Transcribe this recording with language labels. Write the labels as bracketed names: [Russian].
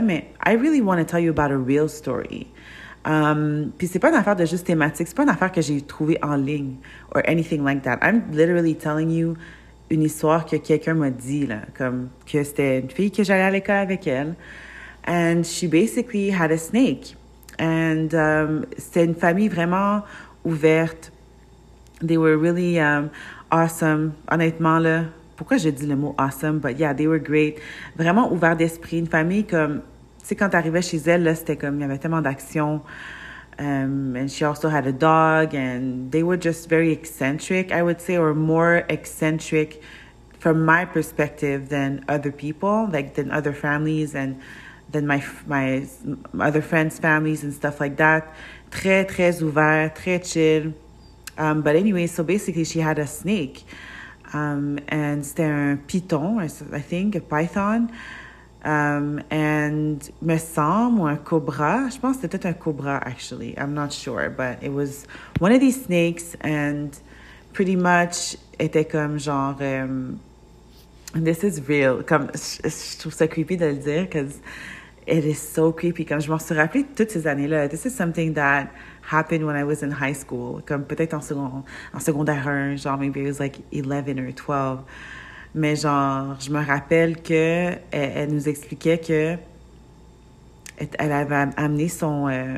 [French] Mais [English] I really want to tell you about a real story. [French] Puis c'est pas une affaire de juste thématique. C'est pas une affaire que j'ai trouvée en ligne [English] or anything like that. I'm literally telling you [French] une histoire que quelqu'un m'a dit, là. Comme que c'était une fille que j'allais à l'école avec elle. [English] And she basically had a snake. [French] And c'était une famille vraiment ouverte. [English] They were really awesome. [French] Honnêtement, là, pourquoi j'ai dit le mot awesome? [English] But yeah, they were great. [French] Vraiment ouvert d'esprit. Une famille comme, tu sais, quand t'arrivais chez elle, là, c'était comme, il y avait tellement d'action. [English] And she also had a dog. And they were just very eccentric, I would say, or more eccentric from my perspective than other people, like than other families and... than my other friends' families and stuff like that. [French] Très, très ouvert, très chill. [English] But anyway, so basically she had a snake. And [French] c'était un python, [English] I think, a python. [French] And me semble, ou un cobra. Je pense que c'était un cobra, [English] actually. I'm not sure, but it was one of these snakes and pretty much [French] était comme genre... [English] this is real. [French] Comme, je trouve ça creepy de le dire, [English] because... it is so creepy. [French] Comme je m'en suis rappelé toutes ces années-là. [English] This is something that happened when I was in high school. [French] Comme peut-être en secondaire 1, genre [English] maybe it was like 11 or 12. [French] Mais genre, je me rappelle qu'elle nous expliquait que elle avait amené son...